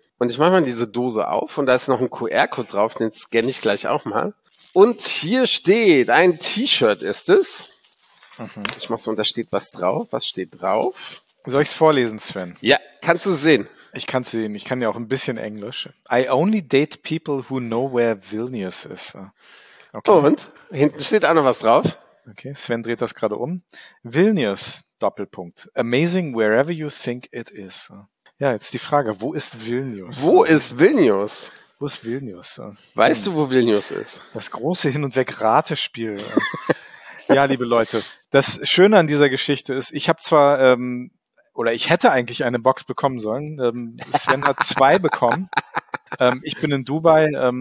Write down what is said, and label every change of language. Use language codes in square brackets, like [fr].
[de] Und ich mache mal diese Dose auf und da ist noch ein QR-Code drauf, den scanne ich gleich auch mal. Und hier steht, ein T-Shirt ist es. Ich mach's mal, da steht was drauf. Was steht drauf? Soll ich es vorlesen, Sven? Ja, kannst du sehen. Ich kann es sehen. Ich kann ja auch ein bisschen Englisch. [en] I only date people who know where Vilnius is. [de] Okay. Und? Hinten steht auch noch was drauf. Okay, Sven dreht das gerade um. Vilnius, Doppelpunkt. [en] Amazing wherever you think it is. [de] Ja, jetzt die Frage, wo ist Vilnius? Wo ist Vilnius? Wo ist Vilnius? Weißt du, wo Vilnius ist? Das große Hin- und Weg-Ratespiel. Ja, liebe Leute, das Schöne an dieser Geschichte ist, ich habe zwar... oder ich hätte eigentlich eine Box bekommen sollen. Sven hat zwei bekommen. Ich bin in Dubai.